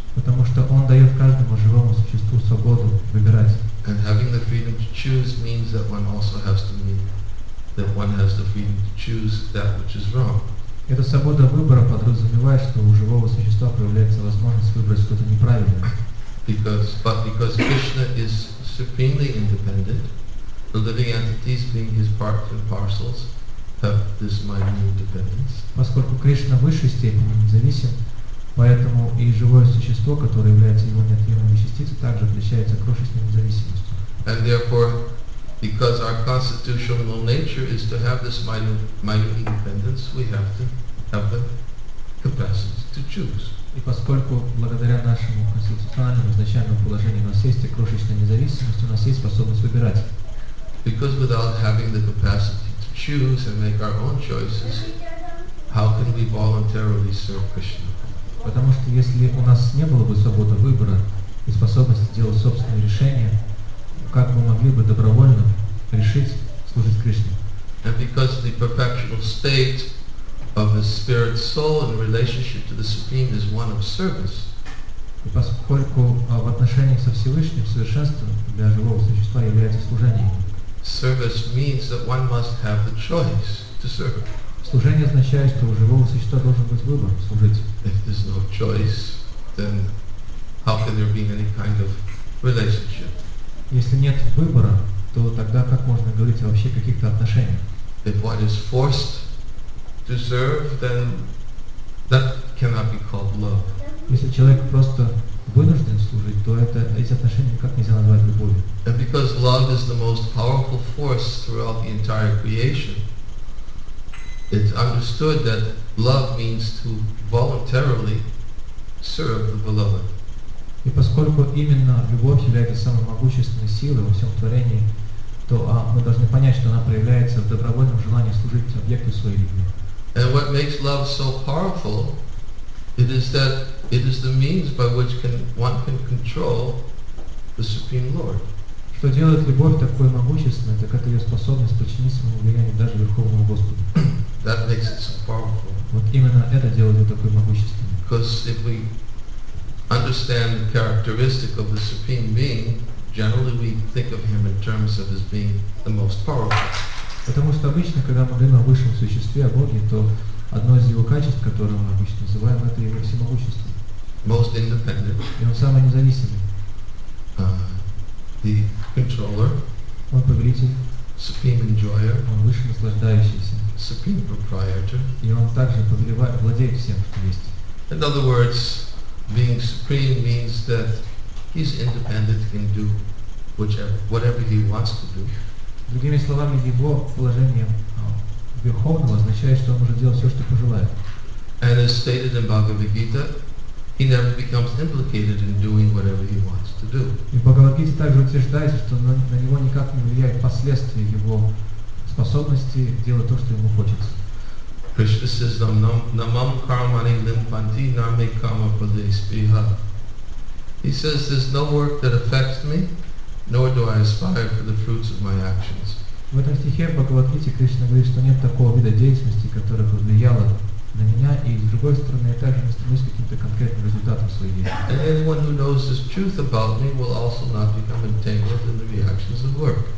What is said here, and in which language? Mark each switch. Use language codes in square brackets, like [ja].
[ru] Потому что Он дает каждому живому существу свободу выбирать. [en] And having the freedom to choose means that one also has to mean that one has the freedom to choose that which is wrong. [ru] Эта свобода выбора подразумевает, что у живого существа появляется возможность выбрать что-то неправильное. [en] Because Krishna is supremely independent, the living entities being His parts and parcels, have this mind independence. [ru] Поскольку Кришна в высшей степени независим, поэтому и живое существо, которое является Его неотъемлемой частицей, также отличается крошечной независимостью. [en] And therefore, because our constitutional nature is to have this mind independence, we have to have the capacity to choose. [ru] И поскольку благодаря нашему конституциональному изначальному положению у нас есть крошечная независимость, у нас есть способность выбирать. [en] Because without having the capacity choose and make our own choices, how can we voluntarily serve Krishna? [ru] Потому что если у нас не было бы свободы выбора и способности делать собственные решения, как мы могли бы добровольно решить служить Кришне? [en] And because the perpetual state of the spirit soul in relationship to the Supreme is one of service. [ru] И поскольку в отношении со Всевышним совершенство для живого существа является служением. [en] Service means that one must have the choice to serve. [ru] Служение означает, что у живого существа должен быть выбор служить. [en] If there's no choice, then how can there be any kind of relationship? [ru] Если нет выбора, то тогда как можно говорить о вообще каких-то отношениях? [en] If one is forced to serve, then that cannot be called love. [ru] Если человек просто вынужден служить, то это эти отношения никак нельзя назвать любовью. [en] And because love is the most powerful force throughout the entire creation, it's understood that love means to voluntarily serve the beloved. [ru] И поскольку именно любовь является самой могущественной силой во всем творении, то мы должны понять, что она проявляется в добровольном желании служить объекту своей любви. [en] And what makes love so powerful, it is that it is the means by which one can control the Supreme Lord. [ru] Что делает любовь такой могущественной, так это ее способность подчинить своему влиянию даже Верховному Господу. [en] That makes it so powerful. [ru] Вот именно это делает ее такой могущественной. [en] Because if we understand the characteristic of the Supreme Being, generally we think of Him in terms of His being the most powerful. [ru] Потому что обычно, когда мы говорим о высшем существе, о Боге, то одно из его качеств, которое мы обычно называем, это его всемогущество. [en] Most independent. [ru] И он самый независимый. [en] The controller. [ru] Он повелитель. [en] Supreme enjoyer. [ru] Он выше наслаждающийся. [en] Supreme proprietor. [ru] И он также владеет всем, что есть. [en] In other words, being supreme means that he's independent, can do whatever he wants to do. [ru] Другими словами, его положение Верховного означает, что он может делать все, что пожелает. [en] And as stated in Bhagavad Gita, he never becomes implicated in doing whatever he wants to do. [ru] И Бхагавад Гита также утверждает, что на него никак не влияет последствия его способности делать то, что ему хочется. [en] Krishna says, [sa] namam karmani limpanti name kama pade spriha. [en] He says, there's no work that affects me, nor do I aspire for the fruits of my actions. [ru] В этом стихе Бхагавад Гите Кришна говорит, что нет такого вида деятельности, которое повлияло на меня, и с другой стороны, я также не стремлюсь к каким-то конкретным результатам в своей жизни. [en] And anyone who knows this truth about me will also not become entangled in the reactions of work.